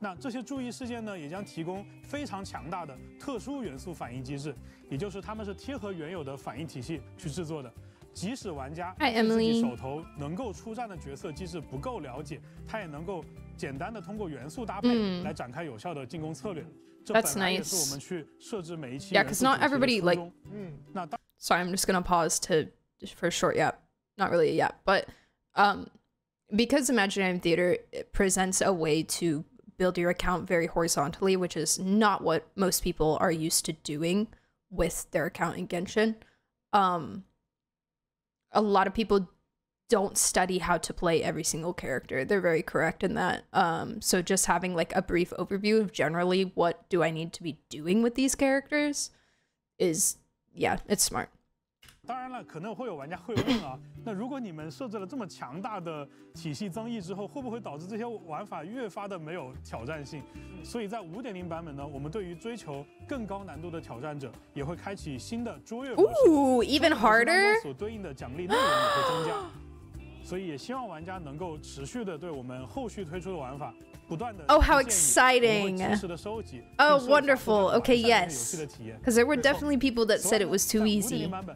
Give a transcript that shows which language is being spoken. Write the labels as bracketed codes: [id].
[zh] 那这些注意事件呢，也将提供非常强大的特殊元素反应机制，也就是他们是贴合原有的反应体系去制作的。即使玩家对自己手头能够出战的角色机制不够了解，他也能够简单的通过元素搭配来展开有效的进攻策略。 [en] That's nice. Yeah, because not everybody like. Sorry, I'm just gonna pause to for short. Yeah, not really. Yeah, but because Imaginarium Theater presents a way to build your account very horizontally, which is not what most people are used to doing with their account in Genshin. A lot of people don't study how to play every single character. They're very correct in that. So just having like a brief overview of generally what do I need to be doing with these characters is, yeah, it's smart. [zh] 当然了，可能会有玩家会问啊，那如果你们设置了这么强大的体系增益之后，会不会导致这些玩法越发的没有挑战性？所以在 5.0 版本呢，我们对于追求更高难度的挑战者，也会开启新的卓越模式。 [en] Even harder. [zh] 所对应的奖励内容也会增加，所以也希望玩家能够持续的对我们后续推出的玩法不断的。 [en] Oh, how exciting! Oh, wonderful. Okay, yes. Because there were definitely people that said it was too easy.